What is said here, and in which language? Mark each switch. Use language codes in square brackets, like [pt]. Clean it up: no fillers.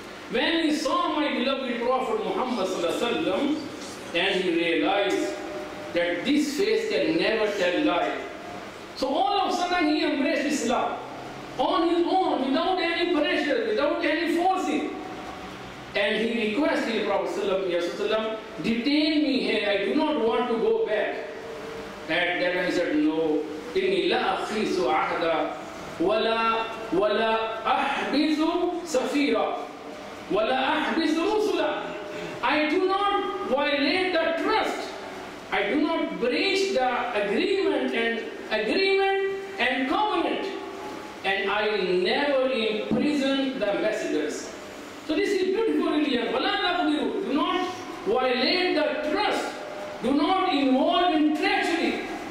[en] When he saw my beloved Prophet Muhammad sallallahu alaihi wasallam, then he realized that this face can never tell lie. So all of a sudden he embraced Islam on his own, without any pressure, without any forcing. And he requested Prophet sallallahu alaihi wasallam, detain me here, I do not want to go back. [ar] And then he said, no, إِنِّي لَا أَخِيسُ عَهْدًا وَلَا أَحْبِثُ سَفِيرًا وَلَا أَحْبِثُ رُسُلًا. [en] I do not violate the trust. I do not breach the agreement and covenant. And I never imprison the messengers. So this is beautiful religion. [ar] وَلَا أَخْبِثُ. [en] Do not violate the trust. Do not involve in treachery.